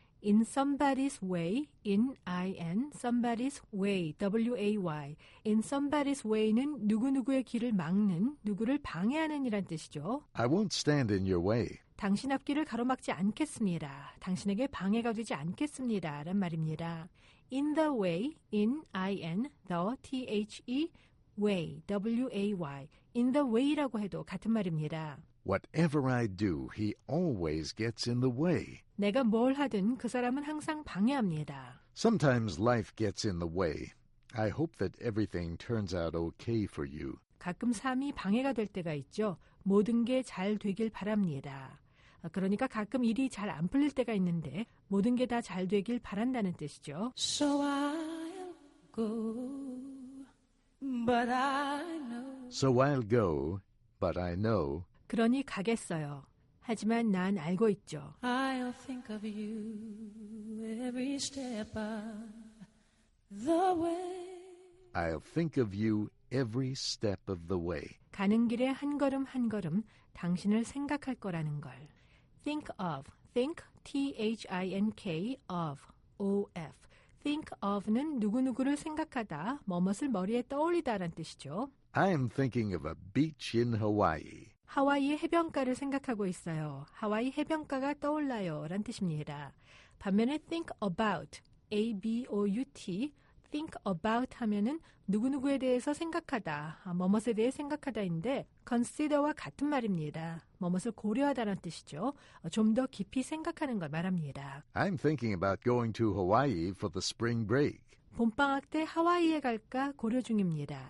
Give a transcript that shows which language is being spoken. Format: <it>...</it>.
<en>In somebody's way, in I-N, somebody's way, W-A-Y. In somebody's way</en> <ko>는 누구누구의 길을 막는, 누구를 방해하는 이란 뜻이죠.</ko> <en>I won't stand in your way.</en> <ko>당신 앞길을 가로막지 않겠습니다. 당신에게 방해가 되지 않겠습니다. 란 말입니다.</ko> <en>In the way, in I-N, the, T-H-E, way, W-A-Y. In the way</en> <ko>라고 해도 같은 말입니다.</ko> <en>Whatever I do, he always gets in the way.</en> <ko>내가 뭘 하든 그 사람은 항상 방해합니다.</ko> <en>Sometimes life gets in the way. I hope that everything turns out okay for you.</en> <ko>가끔 삶이 방해가 될 때가 있죠. 모든 게 잘 되길 바랍니다. 그러니까 가끔 일이 잘 안 풀릴 때가 있는데 모든 게 다 잘 되길 바란다는 뜻이죠.</ko> <en>So I'll go, but I know. So I'll go, but I know.</en> <ko>그러니 가겠어요. 하지만 난 알고 있죠.</ko> <en>I'll think of you every step of the way. I'll think of you every step of the way.</en> <ko>가는 길에 한 걸음 한 걸음 당신을 생각할 거라는 걸.</ko> <en>Think of, think, T-H-I-N-K, of, O-F. Think of</en> <ko>는 누구누구를 생각하다, 뭐뭇을 머리에 떠올리다 라는 뜻이죠.</ko> <en>I am thinking of a beach in Hawaii.</en> <ko>하와이의 해변가를 생각하고 있어요. 하와이 해변가가 떠올라요. 라는 뜻입니다. 반면에</ko> <en>think about,</en> <ko>A-B-O-U-T, think about 하면은 누구누구에 대해서 생각하다, 뭐뭇에 대해 생각하다인데 consider와 같은 말입니다. 뭐뭇을 고려하다는 뜻이죠. 좀 더 깊이 생각하는 걸 말합니다.</ko> <en>I'm thinking about going to Hawaii for the spring break.</en> <ko>봄방학 때 하와이에 갈까 고려 중입니다.</ko>